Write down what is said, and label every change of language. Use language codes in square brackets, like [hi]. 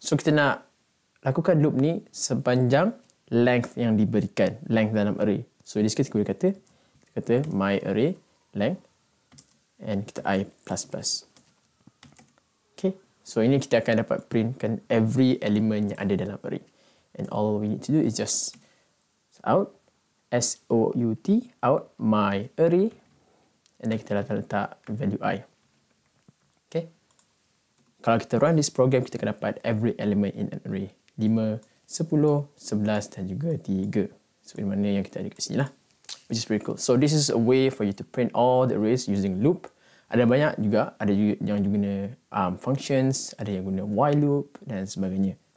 [ms] So kita nak lakukan loop ni sepanjang length yang diberikan, length dalam array. [en] So in this case [ms] kita kata [en] my array length and kita i plus plus. [ms] Okay, so ini kita akan dapat printkan [en] every element [ms] yang ada dalam array. [en] and all we need to do is just out, S-O-U-T, out my array, and then [ms] kita letak [en] value I. Okay? [ms] Kalau kita [en] run this program, [ms] kita akan dapat [en] every element in an array. [ms] 5, 10, 11 dan juga 3. So, di mana yang kita ada kat sini lah. [en] Which is pretty cool. So, this is a way for you to print all the arrays using loop. [ms] Ada banyak juga, ada juga yang guna functions, ada yang guna while loop dan sebagainya.